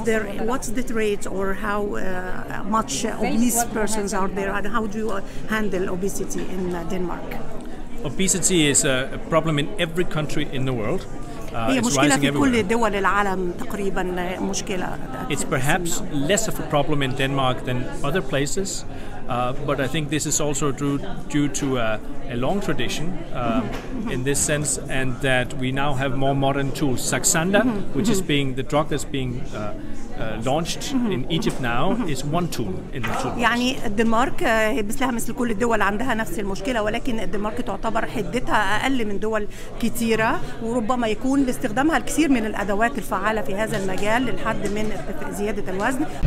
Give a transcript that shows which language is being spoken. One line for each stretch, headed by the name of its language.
English: there what's the rate or how much obese persons are there and how do you handle obesity in Denmark obesity is a problem in every country in the world
Arabic: هي مشكلة في
English: everywhere.
Arabic: كل دول العالم تقريبا مشكلة
English: It's perhaps less of a problem in Denmark than other places but I think this is also due to a long tradition in this sense and that we now have more modern tools Saxenda which is being the drug that's being launched in Egypt now is one tool in the toolbox.
Arabic: يعني الدنمارك مثلها مثل كل الدول عندها نفس المشكلة ولكن الدنمارك تعتبر حدتها أقل من دول كثيرة وربما يكون لاستخدامها الكثير من الأدوات الفعالة في هذا المجال للحد من زيادة الوزن